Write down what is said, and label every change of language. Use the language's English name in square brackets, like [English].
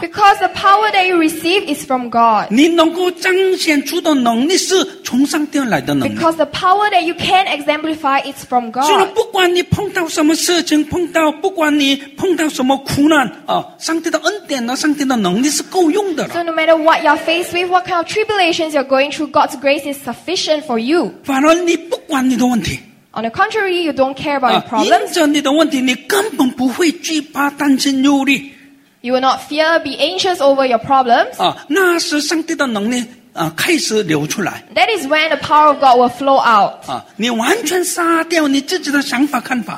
[English] Because the power that you receive is from God. [Chinese] 你能够彰显出的能力是从上帝来的能力。 [English] Because the power that you can exemplify is from God. [Chinese] 所以不管你碰到什么事情，碰到什么苦难， 上帝的恩典呢，上帝的能力是够用的。 [English] So no matter what you're faced with, what kind of tribulations you're going through, God's grace is sufficient for you. [Chinese] 反而你不管你的问题。 [English] On the contrary, you don't care about your problems. [Chinese] 因着你的问题，你根本不会惧怕、担心、忧虑。 [English] You will not fear, be anxious over your problems. [Chinese] 那是上帝的能力开始流出来。 [English] That is when the power of God will flow out. [Chinese] 你完全杀掉你自己的想法看法。